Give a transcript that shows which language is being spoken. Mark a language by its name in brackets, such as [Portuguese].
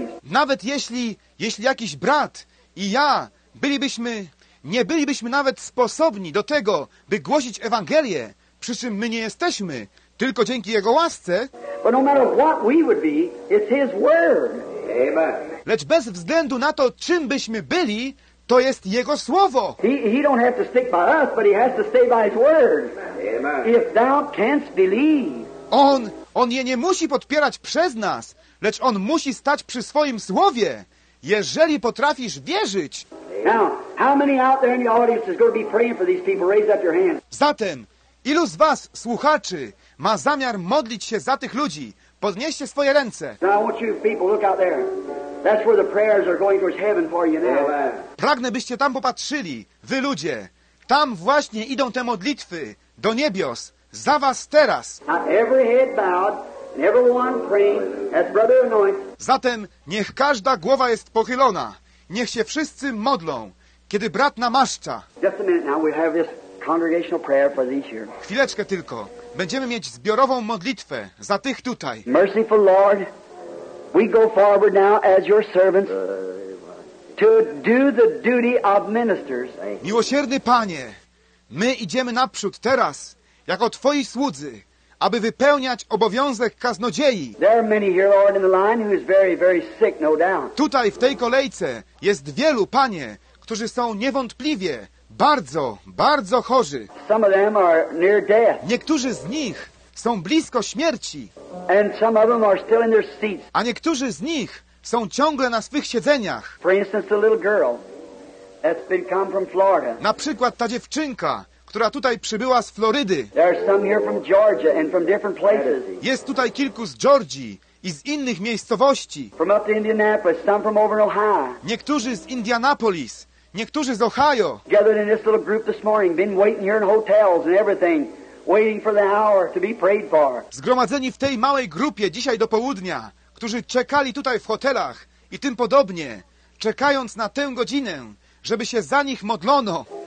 [Polish] Nawet jeśli jakiś brat i ja nie bylibyśmy nawet sposobni do tego, by głosić Ewangelię, przy czym my nie jesteśmy, tylko dzięki Jego łasce. [English] But no matter what we would be, it's His word. Amen. [Polish] Lecz bez względu na to, czym byśmy byli, to jest Jego Słowo. [English] He don't have to stick by us, but He has to stay by His word. Amen. If thou canst believe. [Polish] On je nie musi podpierać przez nas, lecz On musi stać przy swoim Słowie, jeżeli potrafisz wierzyć. [English] Now, how many out there in the audience is going to be praying for these people? Raise up your hand. [Polish] Zatem, ilu z was, słuchaczy, ma zamiar modlić się za tych ludzi? Podnieście swoje ręce. [English] Now, I want you people look out there. That's where the prayers are going towards heaven for you now. [Polish] Pragnę, byście tam popatrzyli, wy ludzie. Tam właśnie idą te modlitwy do niebios za was teraz. [English] Every head bowed, everyone praying as brother anoints. [Polish] Zatem niech każda głowa jest pochylona. Niech się wszyscy modlą, kiedy brat namaszcza. [English] Just a minute now, we have this congregational prayer for these here. [Polish] Chwileczkę tylko. Będziemy mieć zbiorową modlitwę za tych tutaj. [English] Merciful Lord, we go forward now as your servants to do the duty of ministers. [Polish] Miłosierny Panie, my idziemy naprzód teraz jako Twoi słudzy, aby wypełniać obowiązek kaznodziei. [English] There are many here, Lord, in the line who is very, very sick, no doubt. [Polish] Tutaj w tej kolejce jest wielu, Panie, którzy są niewątpliwie bardzo, bardzo chorzy. [English] Some of them are near death. [Polish] Niektórzy z nich są blisko śmierci. [English] And some of them are still in their seats. [Polish] A niektórzy z nich są ciągle na swych siedzeniach. [English] For instance, the little girl that's been come from Florida. [Polish] Na przykład ta dziewczynka, która tutaj przybyła z Florydy. [English] There are some here from Georgia and from different places. [Polish] Jest tutaj kilku z Georgii i z innych miejscowości. [English] From up to Indianapolis, some from over in Ohio. [Polish] Niektórzy z Indianapolis, niektórzy z Ohio. [English] Gathered in this little group this morning, been waiting here in hotels and everything. Waiting for the hour to be prayed for. [Polish] Zgromadzeni w tej małej grupie dzisiaj do południa, którzy czekali tutaj w hotelach i tym podobnie, czekając na tę godzinę, żeby się za nich modlono.